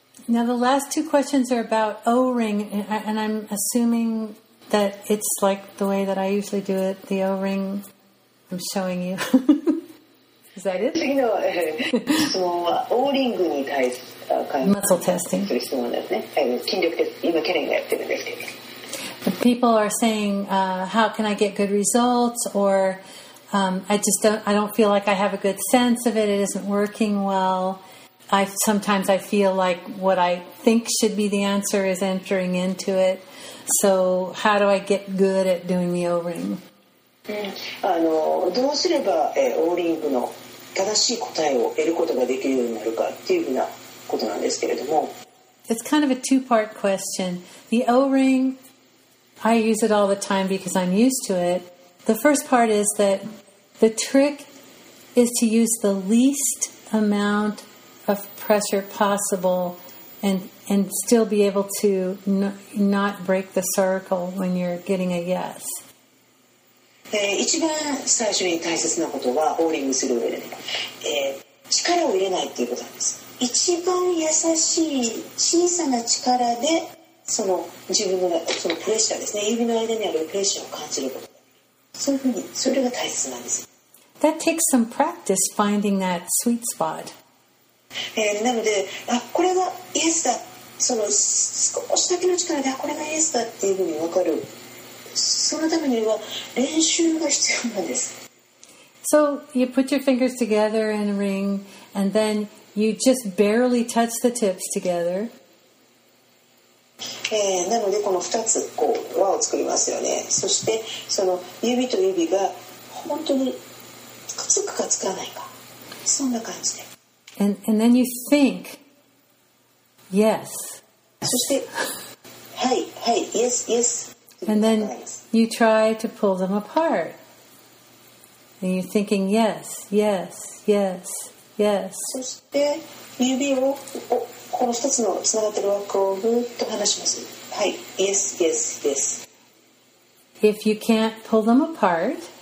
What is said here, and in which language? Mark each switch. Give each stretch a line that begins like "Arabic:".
English: Now the last two questions are about O-ring, and I'm assuming that it's like the way that I usually do it, the O-ring I'm showing you. Is that it?
Japanese: 次の質問は O-ring に対する
English: muscle testing.
Japanese: 筋力です。今ケレンがやってるんですけど。
English: People are saying, how can I get good results? Or I don't feel like I have a good sense of it. It isn't working well. Sometimes I feel like what I think should be the answer is entering into it. So how do I get good at doing the O-ring?
Japanese: どうすれば、O-ring の正しい答えを得ることができるようになるかっていうふうなことなんですけれども。
English: It's kind of a two-part question. The O-ring... I use it all the time because I'm used to it. The first part is that the trick is to use the least amount of pressure possible and still be able to not break the circle when you're getting a yes.
Japanese: 一番最初に大切なことはオーリングする上で、力を入れないっていうことなんです。一番優しい小さな力でその自分 の, そのプレッシャーですね、指の間にあるプレッシャーを感じること、そういうふうにそれが大切なんです。
English: That takes some practice finding that sweet spot、
Japanese: なので、あ、これがイエスだ、その少しだけの力で、あ、これがイエスだっていうふうに分かる、そのためには練習が必要なんです。
English: So you put your fingers together in a ring, and then you just barely touch the tips together.
Japanese: なのでこの2つこう輪を作りますよね。そしてその指と指が本当につくつくかつかないか、そんな感じで。
English: And then you think, yes.
Japanese: そしてはいはい、
English: yes yes. And then you try to pull them apart. And you're thinking, yes, yes, yes, yes.
Japanese: そして指をこの2つのつながってる枠をぐっと離します。はい、
English: yes, yes, yes. If you can't pull them apart,